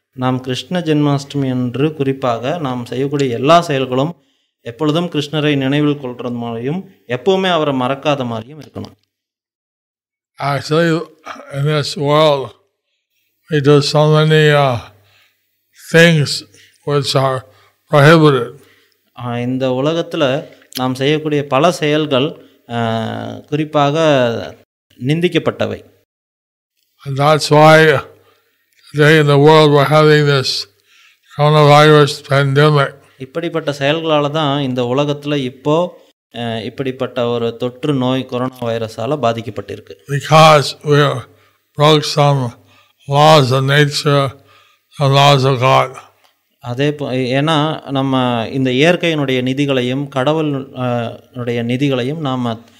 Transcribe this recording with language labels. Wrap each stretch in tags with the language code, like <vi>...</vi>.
<ta>நாம் கிருஷ்ண ஜென்மாஷ்டமி என்று குறிப்பாக நாம் செய்யக்கூடிய எல்லா செயல்களும் எப்பொழுதும் கிருஷ்ணரை நினைவில் கொள்றது மாதிரியும் எப்பவுமே அவரை மறக்காத மாதிரியும் இருக்கணும்.</ta> <en>Actually, in this world, we do so many things which are prohibited.</en> <ta>இந்த உலகத்தில் நாம் செய்யக்கூடிய பல செயல்கள் குறிப்பாக நிந்திக்கப்பட்டவை.</ta> <en>And that's why today in the world we're having this coronavirus pandemic.</en> <ta>இப்படிப்பட்ட செயல்களால தான் இந்த உலகத்துல இப்போ இப்படிப்பட்ட ஒரு தொற்று நோய் கொரோனா வைரஸால பாதிக்கப்பட்டிருக்கு.</ta> <en>Because we broke some laws of nature, some laws of God.</en> <ta>அதே ஏன்னா நம்ம இந்த இயற்கையினுடைய நிதிகளையும் கடவுளுடைய நிதிகளையும் நாம</ta>